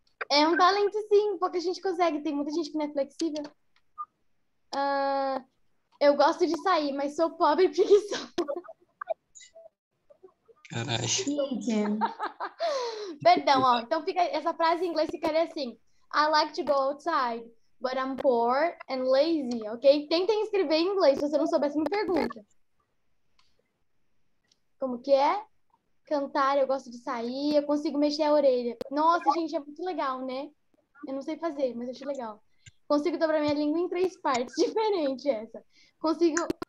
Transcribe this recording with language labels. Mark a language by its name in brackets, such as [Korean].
[Portuguese] É um talento, sim, porque a gente consegue. Tem muita gente que não é flexível. Eu gosto de sair, mas sou pobre e preguiçosa. Caralho. Perdão, ó. Então fica essa frase em inglês ficaria assim. [English] I like to go outside, but I'm poor and lazy, ok? [Portuguese] Tentem escrever em inglês, se você não soubesse, me pergunta. Como que é? Cantar, eu gosto de sair, eu consigo mexer a orelha. Nossa, gente, é muito legal, né? Eu não sei fazer, mas eu acho legal. Consigo dobrar minha língua em três partes, diferente essa. Consigo...